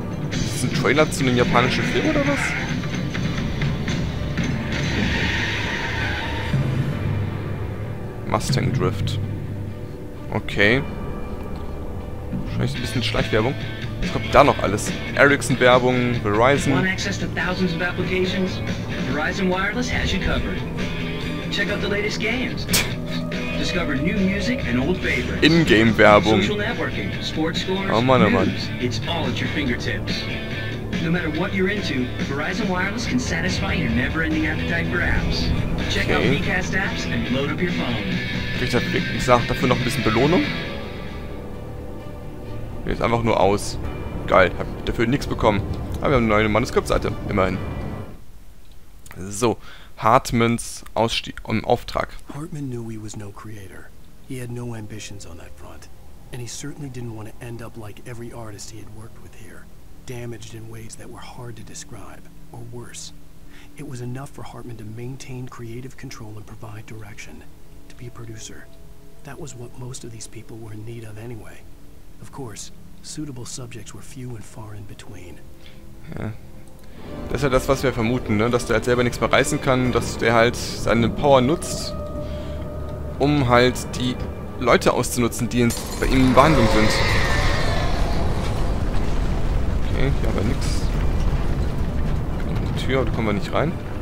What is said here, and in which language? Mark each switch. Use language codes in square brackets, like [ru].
[de] Ist das ein Trailer zu einem japanischen Film oder was? Mustang Drift. Okay. Wahrscheinlich ein bisschen Schleichwerbung. Was kommt da noch alles? Ericsson-Werbung, Verizon. [en] One access to thousands of applications. Verizon Wireless has you covered. Check out the latest games. Discover new music and old favorites. [de] In-Game-Werbung. [en] Social networking, sports scores, [de] oh Mann, [en] news. It's all at your fingertips. No matter what you're into, Verizon Wireless can satisfy your never-ending appetite for apps. Check out Recast apps and load up your phone. [de] Kriegt er, ich sag, dafür noch ein bisschen Belohnung? Jetzt einfach nur aus. Geil, hab dafür nichts bekommen. Aber wir haben eine neue Manuskriptseite, immerhin. So, Hartmans Ausstieg und Auftrag. [en] Hartman knew he was no creator. He had no ambitions on that front. And he certainly didn't want to end up like every artist he had worked with here. Damaged in ways that were hard to describe. Or worse. It was enough for Hartman to maintain creative control and provide direction, to be a producer. That was what most of these people were in need of anyway. Of course, suitable subjects were few and far in between. [de] Ja. Das ist ja das, was wir vermuten, ne? Dass der halt selber nichts mehr reißen kann, dass der halt seine Power nutzt, um halt die Leute auszunutzen, die bei ihm in Behandlung sind. Okay, hier haben wir nichts. Tür, da kommen wir nicht rein.